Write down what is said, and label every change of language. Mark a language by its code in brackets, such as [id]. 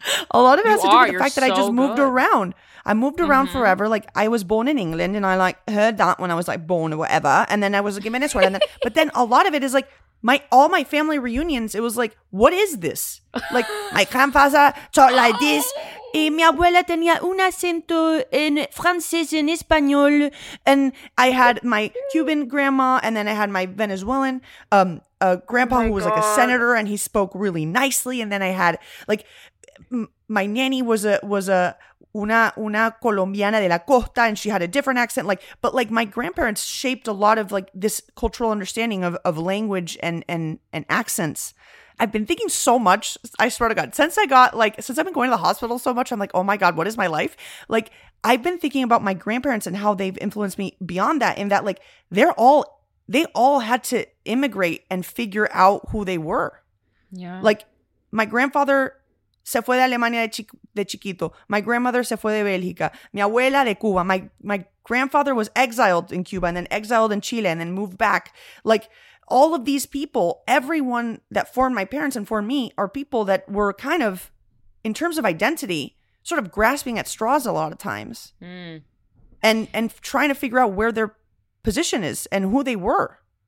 [en] A lot of it has to do with the fact that I just moved around. I moved around forever. Like, I was born in England, and I like heard that when I was like born or whatever. And then I was given this one. But then a lot of it is like all my family reunions. It was like, what is this? Like, my grandfather talked like this. [es] Y mi abuela tenía un acento en francés en español. [en] And I had my Cuban grandma, and then I had my Venezuelan grandpa who was like a senator, and he spoke really nicely. And then I had like my nanny was [es] una colombiana de la costa, [en] and she had a different accent. Like, but like my grandparents shaped a lot of like this cultural understanding of language and accents. I've been thinking so much, I swear to God, since I've been going to the hospital so much, I'm like, oh my God, what is my life? Like, I've been thinking about my grandparents and how they've influenced me beyond that, in that like they all had to immigrate and figure out who they were. Yeah. Like, my grandfather [es] se fue de Alemania de chiquito. [en] My grandmother [es] se fue de Bélgica. Mi abuela de Cuba. [en] My grandfather was exiled in Cuba and then exiled in Chile and then moved back. Like, all of these people, everyone that formed my parents and formed me, are people that were kind of, in terms of identity, sort of grasping at straws a lot of times. And trying to figure out where their position is and who they were.